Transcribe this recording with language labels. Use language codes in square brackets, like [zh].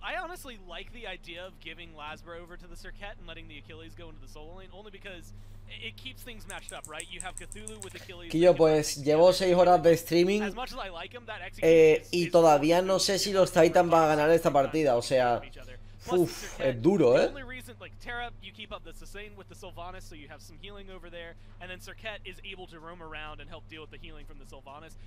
[en] I honestly like the idea of giving Lazbro over to the Serket and letting the Achilles go into the solo lane, only because it keeps things matched up, right? You have Cthulhu with Achilles. [es] Quillo, pues llevo 6 horas de streaming. [en] As much as I like him, that execution [es] y todavía no sé si los Titans van a ganar esta partida. O sea, uff, es duro, ¿eh? [en] The only reason, like Terra, you keep up the sustain with the Sylvanas, so you have some healing over there, and then Serket is able to roam around and help deal with the healing from the Sylvanas.